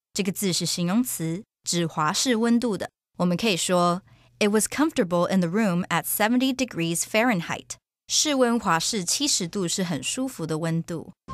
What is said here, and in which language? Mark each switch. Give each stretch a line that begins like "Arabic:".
Chinese: 这个字是形容词，指华氏温度的。我们可以说
English: It was comfortable in the room at 70 degrees Fahrenheit.
Chinese: 室温华氏70度是很舒服的温度。